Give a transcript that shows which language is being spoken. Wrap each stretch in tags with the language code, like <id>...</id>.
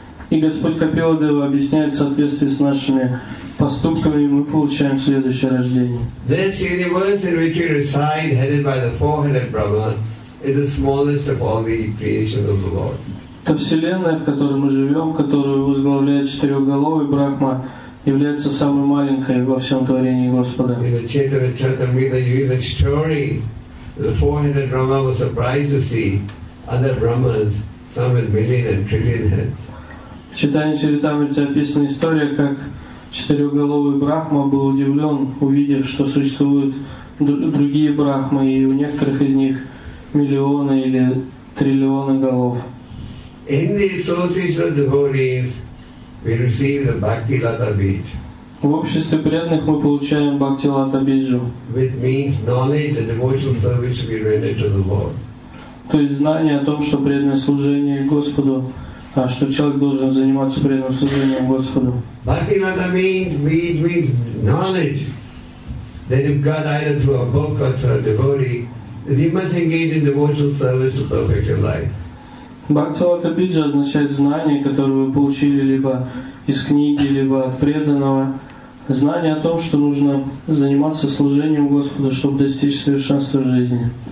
<ru>И Господь Капила Дева объясняет, в соответствии с нашими поступками мы получаем следующее рождение.</ru> <en>This universe in which we reside, headed by the four-headed Brahma, is the smallest of all the creations of the Lord.</en> <ru>Та вселенная, в которой мы живем, которую возглавляет четырехголовый Брахма, является самой маленькой во всем творении Господа.</ru> <en>In the Chaitanya Charitamrita, you read the story. The four-headed Brahma was surprised to see other Brahmas, some with million and trillion heads.</en> <ru>В читании Чаритамриты описана история, как четырехголовый Брахма был удивлен, увидев, что существуют другие Брахмы, и у некоторых из них миллионы или триллионы голов.</ru> <en>In the association of devotees, we receive the Bhakti Lata Bij.</en> <ru>В обществе преданных мы получаем Бхакти Лата Биджу.</ru> <en>Which means knowledge and devotional service to be rendered to the world.</en> <ru>То есть знание о том, что преданное служение Господу, а что человек должен заниматься преданным служением Господу.</ru> <en>Bhaktivinoda means knowledge. That if God either through a book or through a devotee, you must engage in devotional service to perfect your life.</en> <ru>Бхактилата биджа означает знание, которое вы получили либо из книги, либо от преданного. Знание о том, что нужно заниматься служением Господу, чтобы достичь совершенства жизни.</ru>